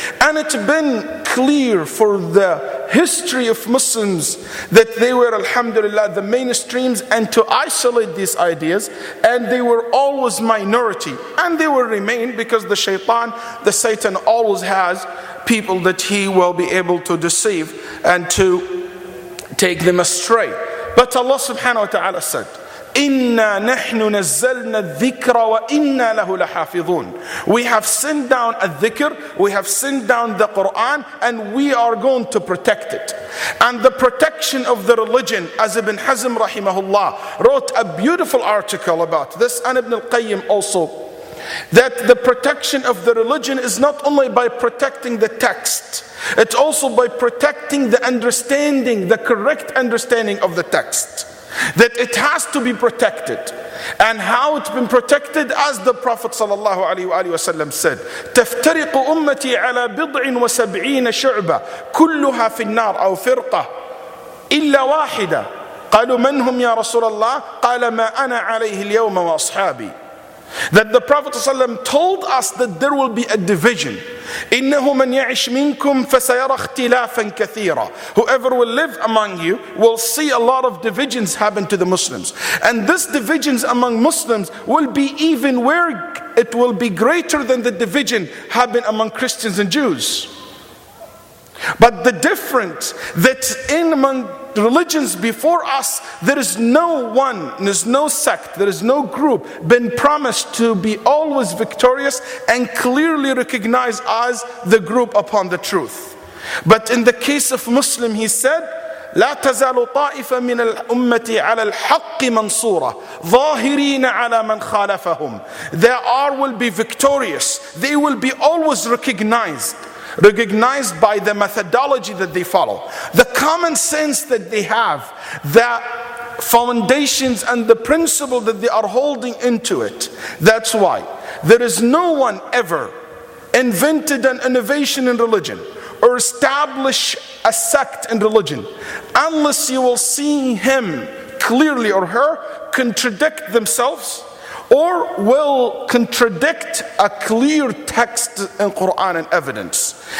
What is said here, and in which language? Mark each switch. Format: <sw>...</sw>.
<en>And it's been clear for the history of Muslims that they were, alhamdulillah, the mainstreams, and to isolate these ideas, and they were always minority, and they will remain, because the shaitan, the Satan, always has people that he will be able to deceive and to take them astray. But Allah subhanahu wa ta'ala said,</en> <ar>إِنَّا نَحْنُ نَزَّلْنَا الذِّكْرَ وَإِنَّا لَهُ لَحَافِظُونَ.</ar> <en>We have sent down a dhikr, we have sent down the Quran, and we are going to protect it. And the protection of the religion, as Ibn Hazm rahimahullah wrote a beautiful article about this, and Ibn al-Qayyim also, that the protection of the religion is not only by protecting the text, it's also by protecting the understanding, the correct understanding of the text. That it has to be protected. And how it's been protected, as the Prophet ﷺ said,</en> <ar>تَفْتَرِقُ أُمَّتِي عَلَى بِضْعٍ وَسَبْعِينَ شُعْبًا كُلُّهَا فِي النَّارِ أَوْ فِرْقَةً إِلَّا وَاحِدًا قَالُوا مَنْ هُمْ يَا رَسُولَ اللَّهِ قَالَ مَا أَنَا عَلَيْهِ الْيَوْمَ وَأَصْحَابِي.</ar> <en>That the Prophet ﷺ told us that there will be a division.</en> <ar>إِنَّهُ مَنْ يَعِشْ مِنْكُمْ فَسَيَرَ اخْتِلَافًا كَثِيرًا.</ar> <en>Whoever will live among you will see a lot of divisions happen to the Muslims. And this divisions among Muslims will be even where it will be greater than the division happen among Christians and Jews. But the difference that in among religions before us, there is no one, there is no sect, there is no group been promised to be always victorious and clearly recognized as the group upon the truth. But in the case of Muslim, he said,</en> <ar>لا تزال طائفة من الأمة على الحق منصورة ظاهرين على من خالفهم.</ar> <en>They are will be victorious. They will be always recognized by the methodology that they follow, the common sense that they have, the foundations and the principle that they are holding into it. That's why there is no one ever invented an innovation in religion or established a sect in religion unless you will see him clearly or her contradict themselves or will contradict a clear text in Quran and evidence.</en>